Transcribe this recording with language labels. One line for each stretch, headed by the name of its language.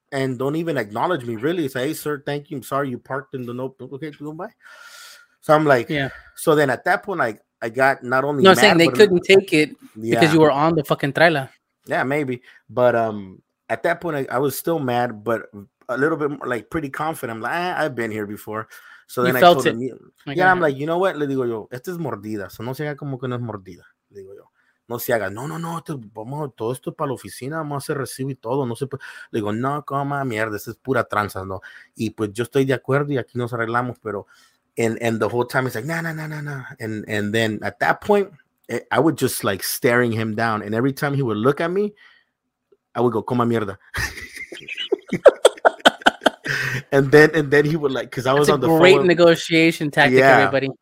English: And don't even acknowledge me, really. Say, hey, sir, thank you. I'm sorry you parked in the notebook. Okay, goodbye. So I'm like, yeah. So then at that point, like, I got not only. No, I'm saying they couldn't take it because you were on the fucking trailer. Yeah, maybe. But at that point, I was still mad, but a little bit more, like, pretty confident. I'm like, I've been here before. So then you I told him, yeah, I'm like, you know what?
Spanish: Le digo yo, esto es mordida. So no se haga como que no es mordida. Le digo yo, no se haga. No, no, no. Esto, vamos, todo esto es para la oficina. Vamos a hacer recibo y todo. No se puede. Le digo, no, coma mierda. Esto es pura tranza, ¿no? Y pues yo estoy de acuerdo y aquí nos arreglamos.
English: Pero, and the whole time he's like, no. And then at that point, I would just like staring him down. And every time he would look at me, I would go,
Spanish: coma mierda.
English: And then he would like, because I was on the phone. Great negotiation tactic, yeah, everybody.